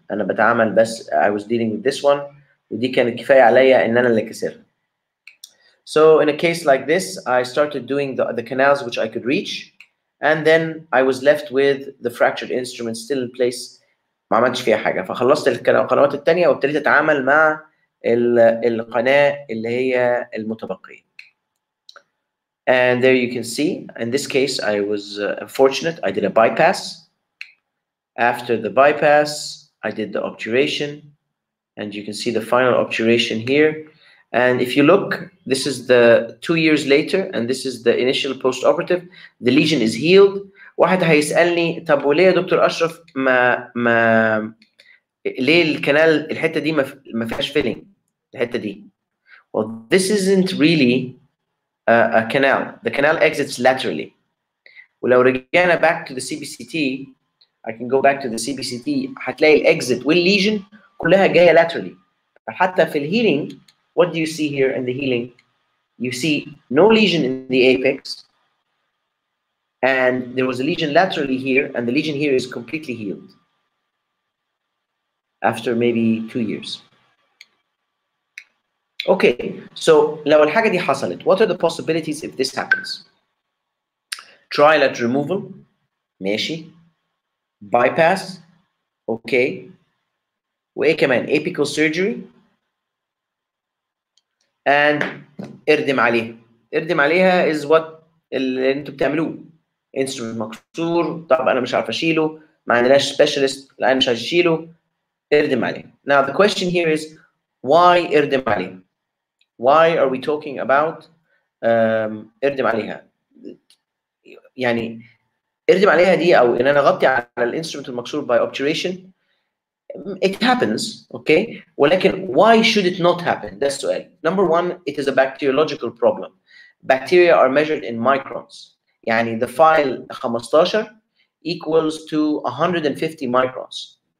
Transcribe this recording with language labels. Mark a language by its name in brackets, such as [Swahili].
[Arabic] أنا بتعامل بس [English] I was dealing with this one, [Arabic] ودي كانت كفاية عليا إن أنا اللي كسر. [English] So in a case like this, I started doing the canals which I could reach, and then I was left with the fractured instrument still in place. [Arabic] ما عملتش فيها حاجة. فخلصت القنوات التانية وابتديت أتعامل مع القناة اللي هي المتبقية. [English] And there you can see, in this case, I was fortunate. I did a bypass. After the bypass, I did the obturation, and you can see the final obturation here. And if you look, this is the 2 years later, and this is the initial post-operative. The lesion is healed. [Arabic] واحد هيسألني, طب وليه يا دكتور أشرف ما ليه الكنال الحتة دي ما فيهاش filling الحتة دي. [English] Well, this isn't really a canal. The canal exits laterally. [Arabic] ولو رجعنا [English] back to the CBCT, I can go back to the CBCT, [Arabic] هتلاقي الاكزيت والليجن كلها جايه [English] laterally. [Arabic] حتى في الهيلينج, [English] what do you see here in the healing? You see no lesion in the apex, and there was a lesion laterally here, and the lesion here is completely healed after maybe 2 years. Okay, so [Arabic] لو الحاجة دي حصلت, [English] what are the possibilities if this happens? Trial at removal, [Arabic] ماشي. [English] Bypass, okay. [Arabic] وإيه كمان؟ [English] Apical surgery. And [Arabic] اردم عليها. اردم عليها [English] is what [Arabic] اللي انتوا بتعملوه. Instrument مكسور, طب انا مش عارف اشيله, ما عندناش specialist, لا انا مش عارف اشيله. إردم علي. [English] Now the question here is why [Arabic] إردم علي? [English] Why are we talking about [Arabic] إردم عليها? يعني إردم عليها دي أو إن أنا غطي على الإنسترومنت المكسور [English] by obturation. It happens, okay? [Arabic] ولكن [English] why should it not happen? That's the question. Number one, it is a bacteriological problem. Bacteria are measured in microns. [Arabic] يعني [English] the file 15 equals to 150 microns.